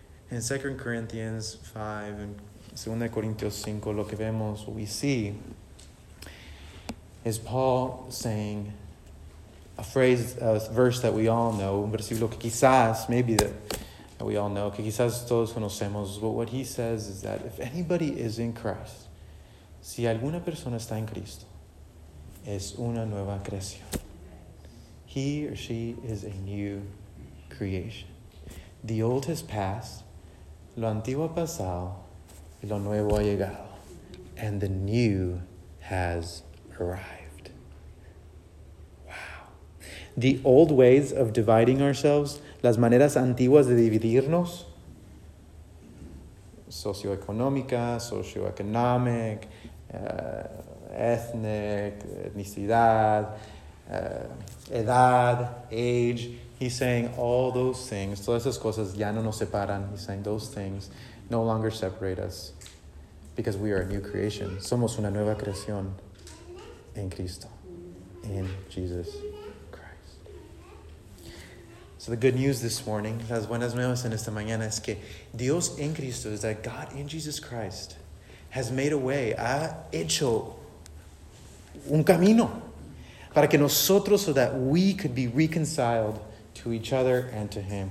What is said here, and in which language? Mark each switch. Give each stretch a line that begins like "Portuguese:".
English: In 2 Corinthians 5 and 2 Corinthians 5,
Spanish: lo que vemos,
English: what we see is Paul saying a phrase, a verse that we all know,
Spanish: un versículo que quizás,
English: maybe that we all know,
Spanish: que quizás todos conocemos,
English: but what he says is that if anybody is in Christ,
Spanish: Si alguna persona está en Cristo, es una nueva creación.
English: He or she is a new creation. The old has passed,
Spanish: lo antiguo ha pasado, y lo nuevo ha llegado.
English: And the new has arrived. Wow. The old ways of dividing ourselves,
Spanish: las maneras antiguas de dividirnos, socioeconómica,
English: socioeconomic, ethnic,
Spanish: etnicidad, edad,
English: age. He's saying all those things,
Spanish: todas esas cosas ya no nos separan.
English: He's saying those things no longer separate us because we are a new creation.
Spanish: Somos una nueva creación en Cristo,
English: in Jesus Christ. So the good news this morning,
Spanish: las buenas nuevas en esta mañana, es que Dios en Cristo,
English: is that God in Jesus Christ has made a way,
Spanish: ha hecho un camino para que nosotros,
English: so that we could be reconciled to each other and to Him.